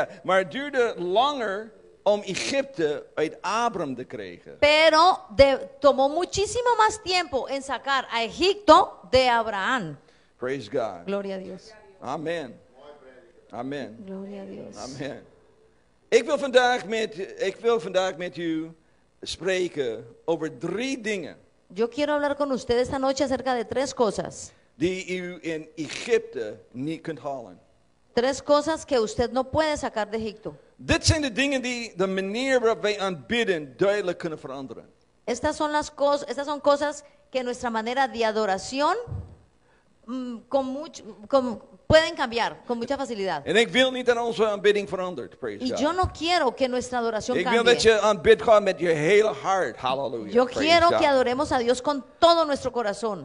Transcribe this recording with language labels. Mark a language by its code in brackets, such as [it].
[nl] het duurde langer om Egypte uit Abraham te krijgen. [es] Pero tomó muchísimo más tiempo en sacar a Egipto de Abraham. [en] Praise God. [es] Gloria a Dios. [en] Amen. Amen. [es] Gloria a Dios. [en] Amen. [nl] Ik wil vandaag met u spreken over drie dingen. [es] Yo quiero hablar con usted esta noche acerca de tres cosas. [nl] Die u in Egypte niet kunt halen. [es] Tres cosas que usted no puede sacar de Egipto. [nl] Dit zijn de dingen die de manier waarop wij aanbidden duidelijk kunnen veranderen. [es] Estas son cosas que nuestra manera de adoración pueden cambiar con mucha facilidad. [nl] En ik wil niet dat onze aanbidding verandert, [en] praise [es] y [en] God. [es] Y yo no quiero que nuestra adoración [nl] ik [es] cambie. [nl] Ik wil dat je aanbidt God met je hele hart, hallelujah. [es] Yo quiero que adoremos a Dios con todo nuestro corazón.